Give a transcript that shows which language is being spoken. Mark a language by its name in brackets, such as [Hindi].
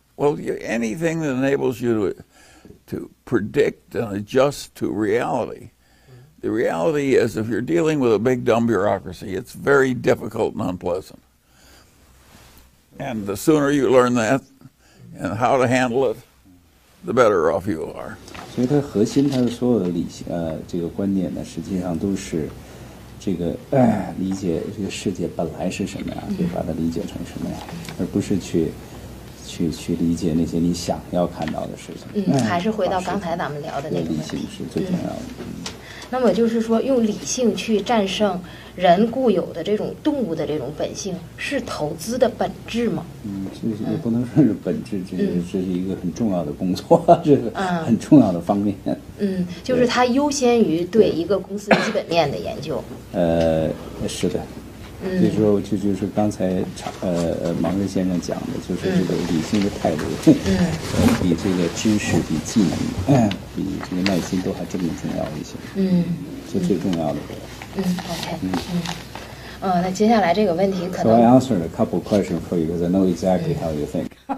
[English] Well, anything that enables you to predict and adjust to reality. The reality is, if you're dealing with a big, dumb bureaucracy, it's very difficult and unpleasant. And the sooner you learn that and how to handle it, the better off you are. So his [Chinese] 核心，他的所有的理性，这个观点呢，实际上都是这个理解这个世界本来是什么呀，就把它理解成什么呀，而不是去理解那些你想要看到的事情。还是回到刚才咱们聊的那个问题。理性是最重要的。那么就是说，用理性去战胜人固有的这种动物的这种本性，是投资的本质吗？这是也不能说是本质，这是一个很重要的工作，这是很重要的方面。就是它优先于对一个公司基本面的研究。是的。所以说，就是刚才芒格先生讲的，就是这个理性的态度，比这个知识、比技能、比这个耐心都还真的重要一些。是最重要的。那接下来这个问题可能。 [English] So I answered a couple questions for you because I know exactly how you think.